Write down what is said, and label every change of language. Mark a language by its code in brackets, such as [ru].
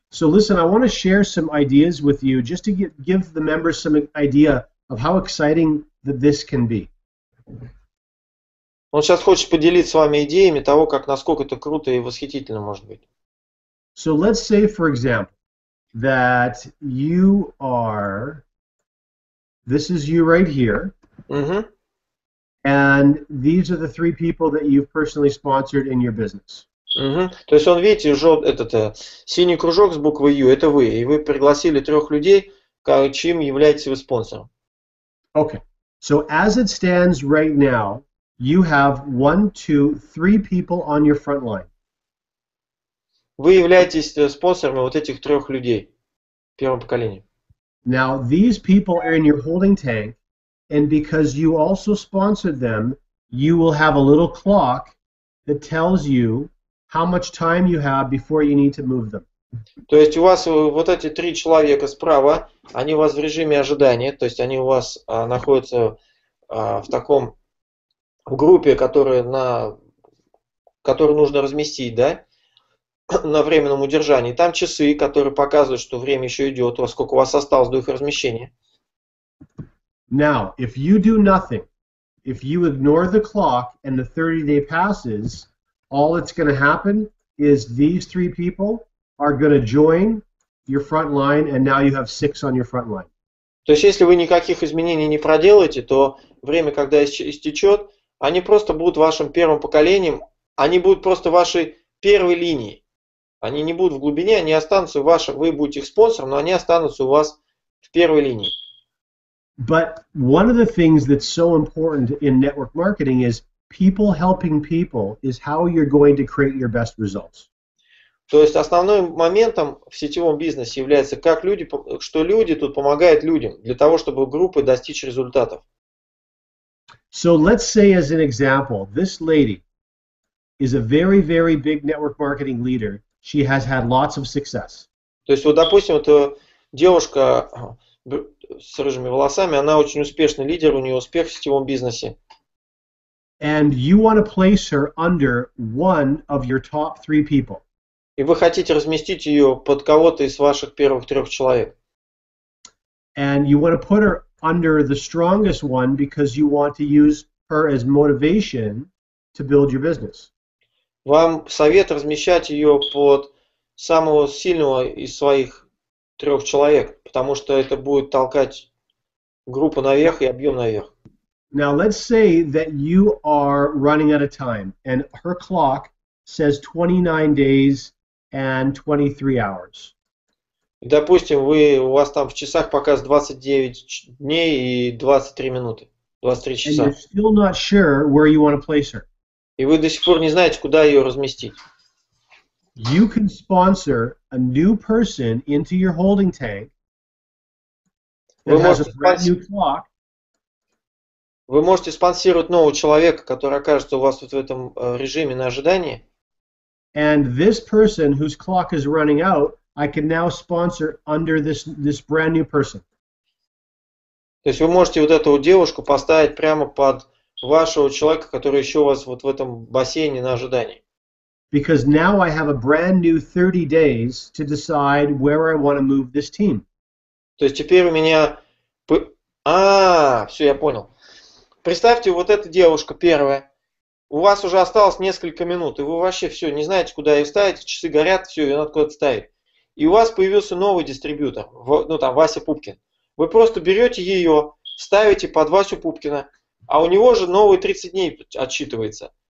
[en] So listen, I want to share some ideas with you just to give the members some idea of how exciting that this can be. [ru] Он сейчас хочет поделиться с вами идеями того, как насколько это круто и восхитительно может быть. [en] So let's say, for example, that you are... This is you right here. Mm-hmm. And these are the three people that you've personally sponsored in your business. Mm-hmm. [ru] То есть он, видите, синий кружок с буквой U, это вы. И вы пригласили трех людей, чьим являетесь вы спонсором. [en] Okay. So as it stands right now, you have 1, 2, 3 people on your front line. [ru] Вы являетесь спонсорами вот этих трех людей в первом поколении. [en] Now these people are in your holding tank, and because you also sponsored them, you will have a little clock that tells you how much time you have before you need to move them. [ru] То есть у вас вот эти три человека справа, они у вас в режиме ожидания, то есть они у вас находятся в таком в группе, которую нужно разместить, да, на временном удержании. Там часы, которые показывают, что время еще идет, сколько у вас осталось до их размещения. [en] Now, if you do nothing, if you ignore the clock and the 30-day passes, all that's going to happen is these three people are going to join your front line, and now you have 6 on your front line. [ru] То есть, если вы никаких изменений не проделаете, то время, когда истечет, они просто будут вашим первым поколением, они будут просто вашей первой линией. Они не будут в глубине, они останутся вашим, вы будете их спонсором, но они останутся у вас в первой линии. [en] But one of the things that's so important in network marketing is people helping people is how you're going to create your best results. [ru] То есть основным моментом в сетевом бизнесе является, как люди, что люди тут помогают людям для того, чтобы группы достичь результатов. [en] So let's say as an example, this lady is a very, very big network marketing leader. She has had lots of success. [ru] То есть, вот, допустим, эта девушка с рыжими волосами, она очень успешный лидер, у нее успех в сетевом бизнесе. [en] And you want to place her under one of your top three people. [ru] И вы хотите разместить ее под кого-то из ваших первых трех человек. [en] And you want to put her under the strongest one because you want to use her as motivation to build your business. [ru] Вам совет размещать ее под самого сильного из своих трех человек, потому что это будет толкать группу наверх и объем наверх. [en] Now let's say that you are running out of time and her clock says 29 days and 23 hours. [ru] Допустим, у вас там в часах показывает 29 дней и 23 минуты, 23 часа. [en] And you're still not sure where you want to place her. [ru] И вы до сих пор не знаете, куда ее разместить. [en] You can sponsor a new person into your holding tank that has a brand new clock. [ru] Вы можете спонсировать нового человека, который окажется у вас вот в этом режиме на ожидании. [en] And this person whose clock is running out, I can now sponsor under this brand new person. [ru] То есть вы можете вот эту девушку поставить прямо под вашего человека, который еще у вас вот в этом бассейне на ожидании. [en] Because now I have a brand new 30 days to decide where I want to move this team. [ru] То есть теперь у меня... все, я понял. Представьте, вот эта девушка первая. У вас уже осталось несколько минут, и вы вообще все, не знаете, куда ее ставить, часы горят, все, ее надо куда-то ставить. И у вас появился новый дистрибьютор, Вася Пупкин. Вы просто берете ее, ставите под Васю Пупкина, а у него же новые 30 дней отсчитывается.